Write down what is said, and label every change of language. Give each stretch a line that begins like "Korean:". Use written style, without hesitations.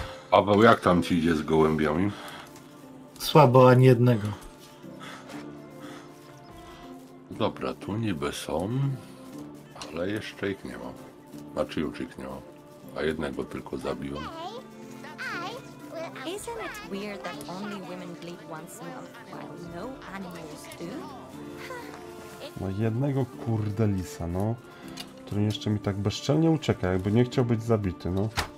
Polish: Paweł, jak tam ci idzie z gołębiami? Słabo, ani jednego. Dobra, tu niby są, ale jeszcze ich nie ma. Znaczy już ich nie ma, a jednego tylko zabiłem.
English: Isn't it weird that only women bleed once in a while, no animals do?
Polish: No jednego kurde lisa, no. Który jeszcze mi tak bezczelnie ucieka, jakby nie chciał być zabity, no.